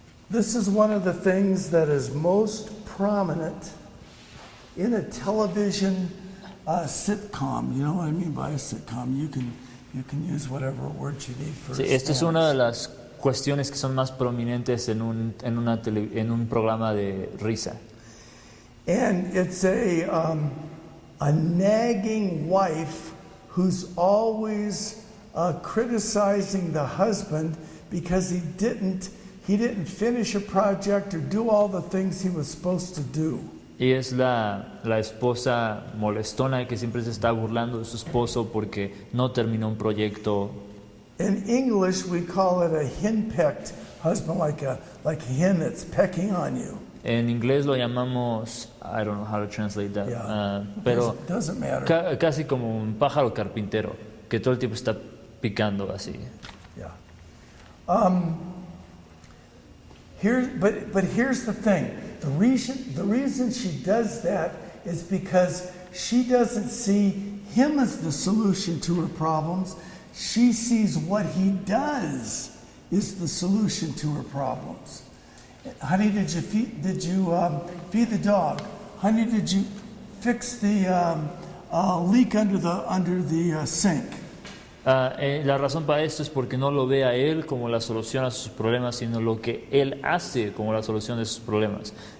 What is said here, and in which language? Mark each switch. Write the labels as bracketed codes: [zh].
[en] This is one of the things that is most prominent in a television sitcom. You know what I mean by a sitcom? You can use whatever word you need for. [es] Sí, esta es una de las cuestiones que son más prominentes en un programa de risa. [en] And it's a nagging wife who's always criticizing the husband because he didn't finish a project or do all the things he was supposed to do. [es] Y es la esposa molestona que siempre se está burlando de su esposo porque no terminó un proyecto. [en] In English we call it a henpecked husband, like a hen that's pecking on you. [es] En inglés lo llamamos, [en] I don't know how to translate that, yeah. [es] Pero [en] doesn't matter. [es] Casi como un pájaro carpintero que todo el tiempo está picando así. [en] Yeah. But here's the thing. The reason she does that is because she doesn't see him as the solution to her problems. She sees what he does is the solution to her problems. Honey, did you feed the dog? Honey, did you fix the leak under the sink? [es] La razón para esto es porque no lo ve a él como la solución a sus problemas, sino lo que él hace como la solución de sus problemas.